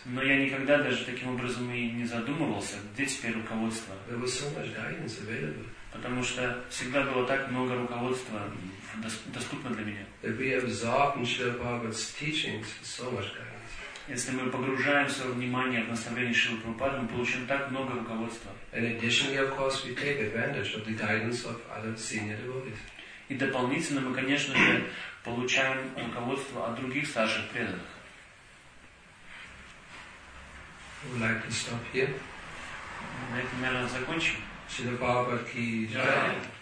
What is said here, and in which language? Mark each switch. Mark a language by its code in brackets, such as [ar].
[ru] Но я никогда даже таким образом и не задумывался, где теперь руководство. [en] There was so much guidance available. [ru] Потому что всегда было так много руководства доступно для меня. [en] If we absorb in Srila Prabhupada's teachings, so much guidance. [ru] Если мы погружаем свое внимание в наставление Шрилы Прабхупады, мы получим так много руководства. [en] And additionally, of course, we take advantage of the guidance of other senior devotees. [ru] И дополнительно мы, конечно же, получаем руководство от других старших преданных. [en] Would like to stop here. [ru] На этом, наверное, закончим. Шрила Прабхупада ки джай.